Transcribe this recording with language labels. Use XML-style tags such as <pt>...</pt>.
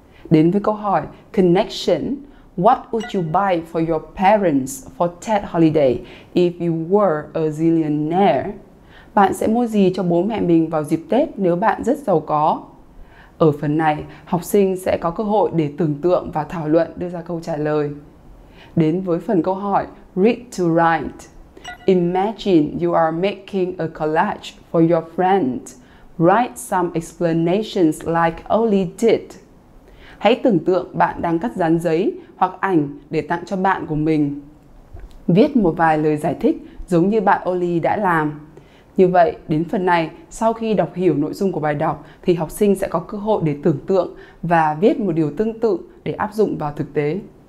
<vi>Đến với câu hỏi Connection,</vi> <en>What would you buy for your parents for TED holiday if you were a zillionaire?</en> <vi>Bạn sẽ mua gì cho bố mẹ mình vào dịp Tết nếu bạn rất giàu có? Ở phần này, học sinh sẽ có cơ hội để tưởng tượng và thảo luận đưa ra câu trả lời. Đến với phần câu hỏi Read to Write.</vi> <en>Imagine you are making a collage for your friend. Write some explanations like Ollie did.</en> <vi>Hãy tưởng tượng bạn đang cắt dán giấy hoặc ảnh để tặng cho bạn của mình. Viết một vài lời giải thích giống như bạn Ollie đã làm. Như vậy, đến phần này, sau khi đọc hiểu nội dung của bài đọc thì học sinh sẽ có cơ hội để tưởng tượng và viết một điều tương tự để áp dụng vào thực tế.</vi>